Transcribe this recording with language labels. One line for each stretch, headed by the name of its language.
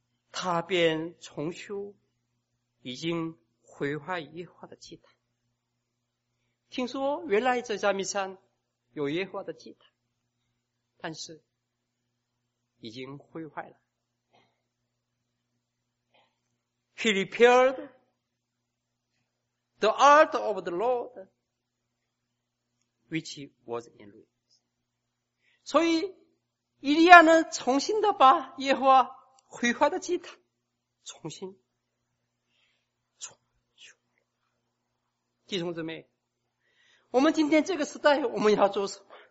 Chinese: 他便重修已经毁坏耶和华的祭坛。听说原来在加密山有耶和华的祭坛，但是已经毁坏了。
English: He repaired the art of the Lord, which was in ruins.
Chinese: 所以以利亚呢，重新的把耶和华毁坏的祭坛重新重修。弟兄姊妹，我们今天这个时代，我们要做什么？